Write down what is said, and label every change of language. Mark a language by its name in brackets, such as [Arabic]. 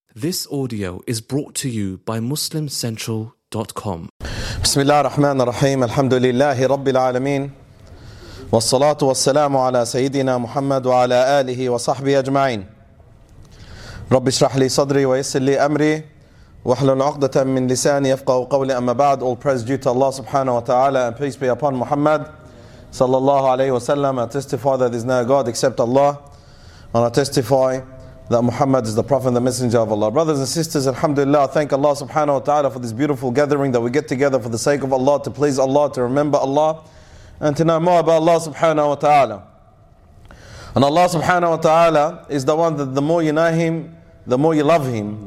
[English] This audio is brought to you by MuslimCentral.com. [Arabic] بسم الله الرحمن الرحيم الحمد لله رب العالمين والصلاة والسلام على سيدنا محمد وعلى آله وصحبه أجمعين رب اشرح لي صدري ويسر لي أمري واحلل عقدة من لساني يفقه قولي أما بعد [English] All praise due to Allah [Arabic] سبحانه وتعالى [English] and peace be upon Muhammad [Arabic] صلى الله عليه وسلم [English] I testify that there is no God except Allah and I testify that Muhammad is the Prophet and the Messenger of Allah. Brothers and sisters, alhamdulillah, I thank Allah subhanahu wa ta'ala for this beautiful gathering that we get together for the sake of Allah, to please Allah, to remember Allah, and to know more about Allah subhanahu wa ta'ala. And Allah subhanahu wa ta'ala is the one that the more you know Him, the more you love Him.